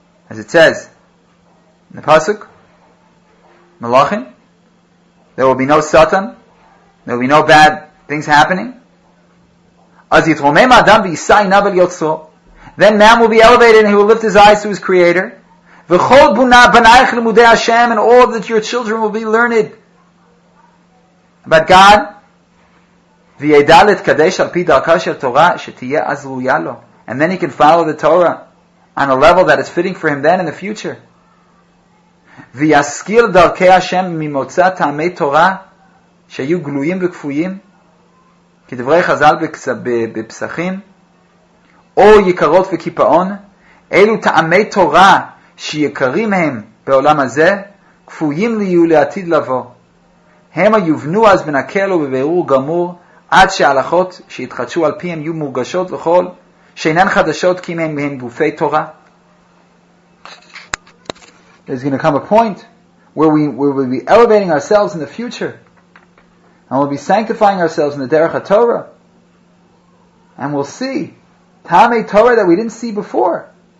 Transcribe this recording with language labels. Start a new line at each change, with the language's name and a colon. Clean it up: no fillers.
English: As it says in the Pasuk, Malachim, there will be no Satan, there will be no bad things happening.
Hebrew: אז יתרומם האדם וישא עיניו אל יוצרו,
English: then man will be elevated and he will lift his eyes to his creator.
Hebrew: וכל בנייך לימודי השם,
English: and all that your children will be learned about God.
Hebrew: וידע להתקדש על פי דרכה של תורה שתהיה אז ראויה לו.
English: And then he can follow the Torah on a level that is fitting for him then in the future.
Hebrew: ויזכיר דרכי השם ממוצא טעמי תורה שהיו גלויים וכפויים, כדברי חז"ל בפסחים, או יקרות וכיפאון, אלו טעמי תורה שיקרים הם בעולם הזה, כפויים יהיו לעתיד לבוא. הם יובנו אז בנקל ובבירור גמור, עד שההלכות שהתחדשו על פיהם יהיו מורגשות לכל, שאינן חדשות כי הם מהם גופי תורה.
English: There's going to come a point where we will be elevating ourselves in the future, and we'll be sanctifying ourselves in the Derech HaTorah, and we'll see Tamei Torah that we didn't see before.